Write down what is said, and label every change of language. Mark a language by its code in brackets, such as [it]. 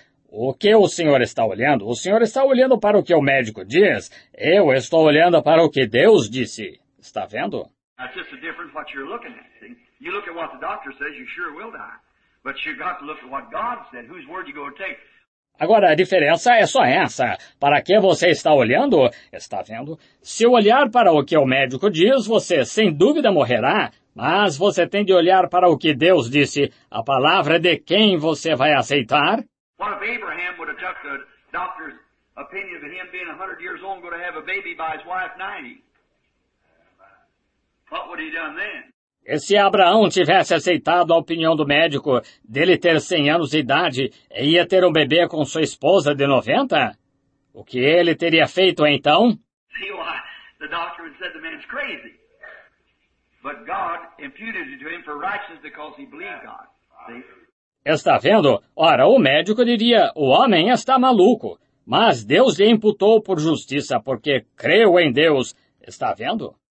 [pt] O que o Senhor está olhando? O Senhor está olhando para o que o médico diz. Eu estou olhando para o que Deus disse. Está vendo? [en] That's just the difference what you're looking at. See? You look at what the doctor says, you sure will die. But you got to look at what God said. Whose word you going to take? [pt] Agora, a diferença é só essa. Para que você está olhando? Está vendo? Se olhar para o que o médico diz, você sem dúvida morrerá. Mas você tem de olhar para o que Deus disse. A palavra de quem você vai aceitar? [en] What if Abraham would have took the doctor's opinion of him being 100 years old and going to have a baby by his wife 90? What would he have done then? [pt] E se Abraão tivesse aceitado a opinião do médico dele ter 100 anos de idade e ia ter um bebê com sua esposa de 90? O que ele teria feito então? [en] See why the doctor had said the man's crazy. But God imputed it to him for righteousness because he believed God. See? [pt] Está vendo? Ora, o médico diria, o homem está maluco, mas Deus lhe imputou por justiça, porque creu em Deus. Está vendo?